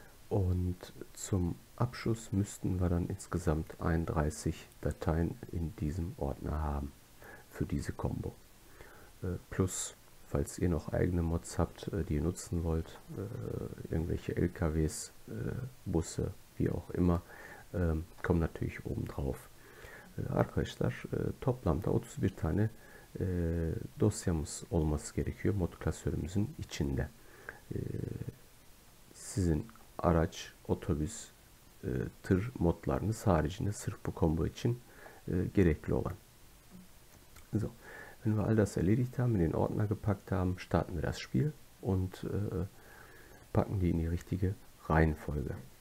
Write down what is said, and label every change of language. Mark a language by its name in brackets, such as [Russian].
[German] Und zum Abschluss müssten wir dann insgesamt 31 Dateien in diesem Ordner haben für diese Combo. Plus, falls ihr noch eigene Mods habt, die ihr nutzen wollt, irgendwelche LKWs, Busse, wie auch immer, kommen natürlich oben drauf. [Turkish] Arkadaşlar, toplamda 31 tane dosyamız olması gerekiyor mod klasörümüzün içinde. Sizin araç, otobüs, tır modlarınız haricinde sırf bu combo için gerekli olan. [German] So. Wenn wir all das erledigt haben, in Ordner gepackt haben, starten wir das Spiel und packen die in die richtige Reihenfolge.